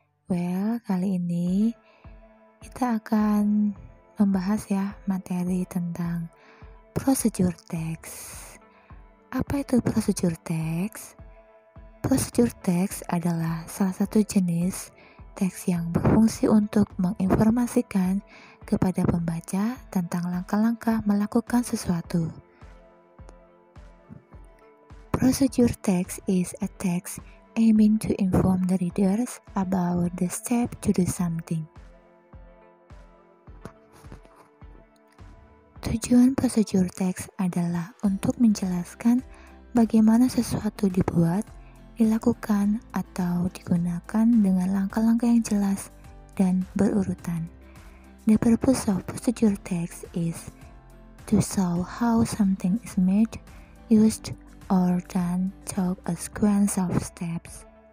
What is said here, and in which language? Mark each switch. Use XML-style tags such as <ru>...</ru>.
<id>Well, kali ini kita akan membahas ya materi tentang prosedur teks. Apa itu prosedur teks? Prosedur teks adalah salah satu jenis teks yang berfungsi untuk menginformasikan kepada pembaca tentang langkah-langkah melakukan sesuatu.</id> <en>Procedure text is a text aiming to inform the readers about the step to do something.</en> <id>Tujuan procedure text adalah untuk menjelaskan bagaimana sesuatu dibuat, dilakukan atau digunakan dengan langkah-langkah yang jelas dan berurutan.</id> <en>The purpose of procedure text is to show how something is made, used, or done through a sequence of steps.</en>